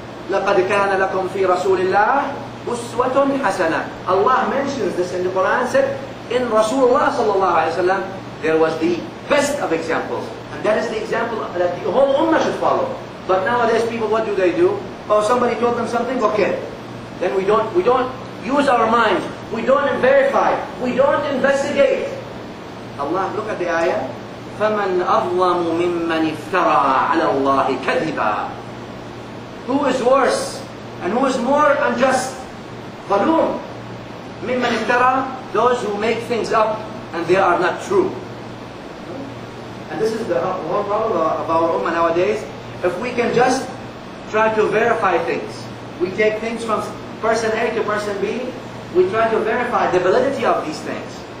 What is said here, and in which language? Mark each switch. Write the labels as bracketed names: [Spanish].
[Arabic] لَقَدْ كَانَ لَكُمْ فِي رَسُولِ اللَّهِ أُسْوَةٌ حَسَنًا [English] Allah mentions this in the Quran, said, in Rasulullah sallallahu alayhi wa sallam, there was the best of examples. And that is the example that the whole ummah should follow. But nowadays people, what do? Oh, somebody told them something, okay. Then we don't use our minds. We don't verify. We don't investigate. Allah, look at the ayah. [Arabic] فَمَنْ أَظْلَمُ مِمَّنِ افْتَرَى عَلَى اللَّهِ كَذِبًا [English] Who is worse? And who is more unjust? [Arabic] ظَلُوم مِمَّنِ افْتَرَى [English] Those who make things up and they are not true. And this is the whole problem of our ummah nowadays. If we can just try to verify things. We take things from person A to person B. We try to verify the validity of these things.